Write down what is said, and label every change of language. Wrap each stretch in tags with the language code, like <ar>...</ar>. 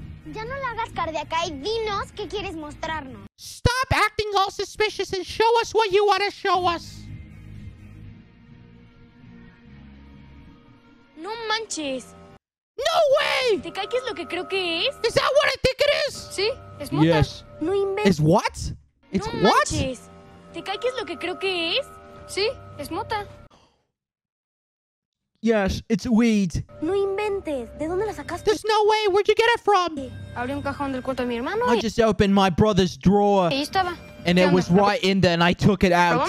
<es>Ya no la hagas cardíaca y dinos qué quieres mostrarnos.</es> <en>Stop acting all suspicious and show us what you want to show us.</en> <es>No manches.</es> <en>No way.</en> <es>¿Te cae qué es lo que creo que es?</es> <en>Is that what I think it is?</en> <es>Sí, es mota.</es> <en>Yes.</en> <es>No inventes.</es> <en>Is what? It's</en> <es>no</es> <en>what?</en> <es>Manches. ¿Te cae qué es lo que creo que es? Sí, es mota.</es> <en>Yes, it's weed.</en> <es>No inventes. ¿De dónde la sacaste?</es> <en>There's no way. Where'd you get it from?</en> <es>Abrí un cajón del cuarto de mi hermano.</es> <en>I just opened my brother's drawer.</en> <es>Ahí estaba.</es> <en>And it was right in there, and I took it out.</en>